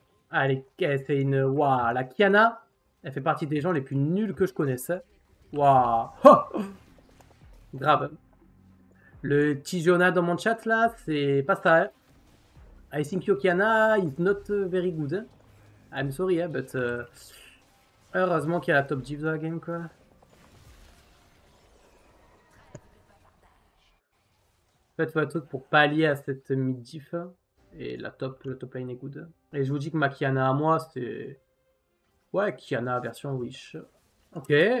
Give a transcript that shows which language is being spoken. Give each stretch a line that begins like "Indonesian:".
French: Allez, elle fait une... Waouh, la Kiana, elle fait partie des gens les plus nuls que je connaisse. Waouh. Grave. Le Tijona dans mon chat, là, c'est pas ça.
English: I think your Kiana is not very good. I'm sorry, but...
French: heureusement qu'il y a la top div de la game, quoi. Faites votre truc pour pallier à cette mid-diff. Et la top lane est good. Et je vous dis que ma Kiana à moi, c'est... Ouais, Kiana version Wish. Ok.